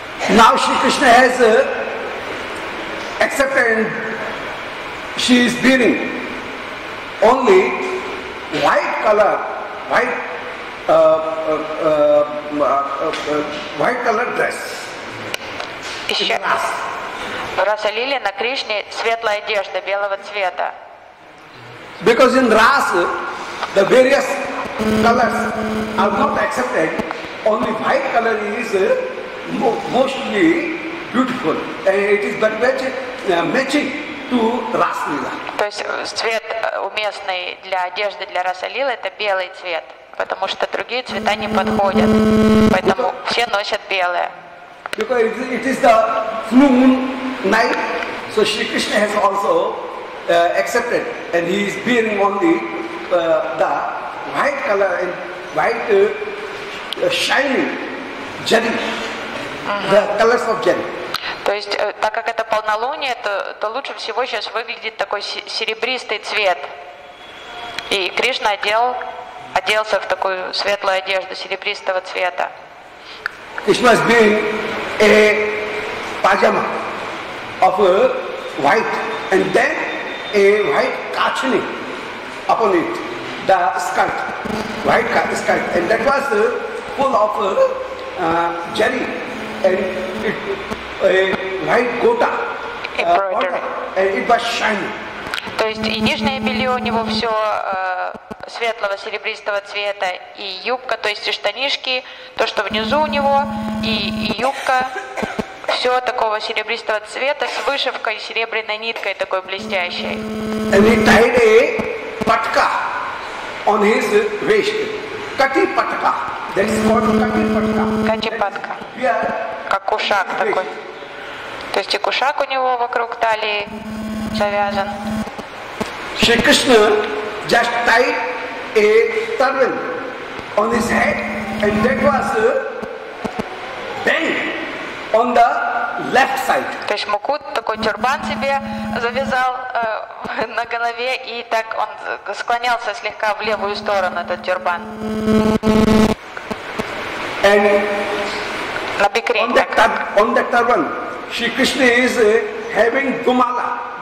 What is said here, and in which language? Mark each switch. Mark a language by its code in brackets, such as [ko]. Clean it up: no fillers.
[en] Now Shri Krishna has accepted she is bearing only white color, white color dress. [ru] Еще раз. Раса лили на Кришне светлая одежда белого цвета. [en] Because in Rasa, the various colors are not accepted. Only white color is mostly beautiful, and it is but matching to Rasa Lila. [ru] То есть цвет уместный для одежды для Раса Лилы это белый цвет, потому что другие цвета не подходят, поэтому все носят белое. [en] Because it is the full moon night, so Shri Krishna has also accepted, and he is bearing only the white color and white shining jari, the colors of jari. [ru] То есть, так как это полнолуние, то лучше всего сейчас выглядит такой серебристый цвет. И Кришна оделся в такую светлую одежду серебристого цвета. Кришна был [en] a pajama of a white and then a white kachani upon it, the skirt, white skirt, and that was full of jari and a white gota embroidery, and it was shiny. [ru] То есть и нижнее белье у него все светлого серебристого цвета, и юбка, то есть и штанишки, то, что внизу у него, и юбка, все такого серебристого цвета с вышивкой, серебряной ниткой такой блестящей. [en] And he tied a patka on his waist. Kati patka. That is called kati patka. [ru] Kati patka. Как кушак такой. То есть и кушак у него вокруг талии завязан. [en] Shri Krishna just tied a turban on his head, and that was bent on the left side. [ru] То есть Мукут такой тюрбан себе завязал на голове, и так он склонялся слегка в левую сторону этот тюрбан. [en] And [ru] на бикрень, [en] on the turban, Shri Krishna is having gumala.